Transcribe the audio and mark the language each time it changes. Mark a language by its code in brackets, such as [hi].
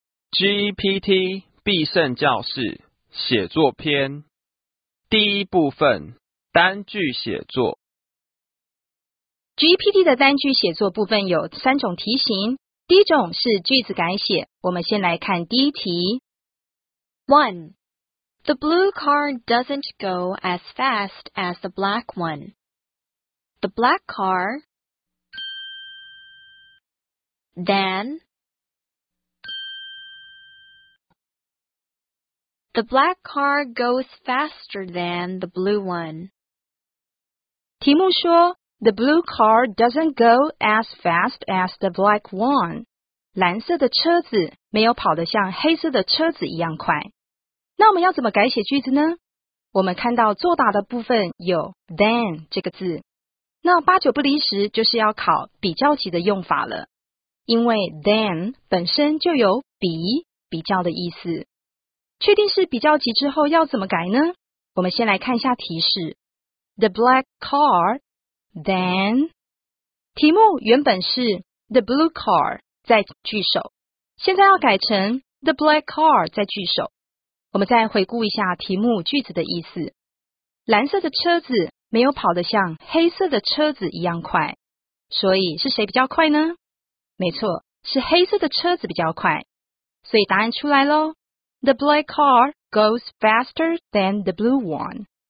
[zh] GEPT 必胜教室写作篇第一部分单句写作。 GPT 的单句写作部分有三种题型，第一种是句子改写，我们先来看第一题。 [en] 1. The blue car doesn't go as fast as the black one. The black car. Then. The black car goes faster than the blue one. [zh] 题目说 [en] The blue car doesn't go as fast as the black one. [zh] 蓝色的车子没有跑得像黑色的车子一样快。那我们要怎么改写句子呢？我们看到作答的部分有 than 这个字。那八九不离十就是要考比较级的用法了。因为 than 本身就有比较的意思。确定是比较级之后要怎么改呢？我们先来看一下提示。 [en] The black car, then. [zh] 题目原本是 [en] The blue car, [zh] 再句首。现在要改成 [en] The black car, [zh] 再句首。我们再回顾一下题目句子的意思。蓝色的车子没有跑得像黑色的车子一样快。所以是谁比较快呢？没错，是黑色的车子比较快。所以答案出来咯。 [en] The black car goes faster than the blue one.